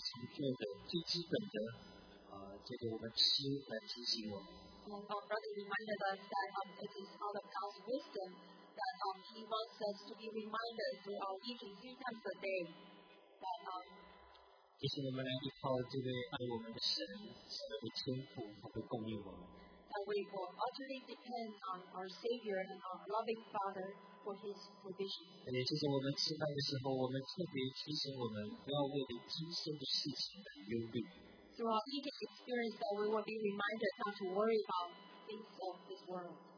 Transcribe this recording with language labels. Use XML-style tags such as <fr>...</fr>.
<zh>今天的信息。我们的信心，我们的生活，生命都是非常重要的。这是一个很重要的提醒我们每天就常做的最基本的。这个我们吃，来提醒我们。</zh> <en>Our brother reminded us that it is part of God's wisdom that He wants us to be reminded through our eating three times a day.</en> <zh>提醒我们来依靠这位爱我们的神，神的天父，他会供应我们。</zh> <en>That we will utterly depend on our Savior and our loving Father for His provision.</en> <zh>也就是我们吃饭的时候，我们特别提醒我们不要为了今生的事情而忧虑。</zh> <en>Through our eating experience, that we will be reminded not to worry about things of this world.</en>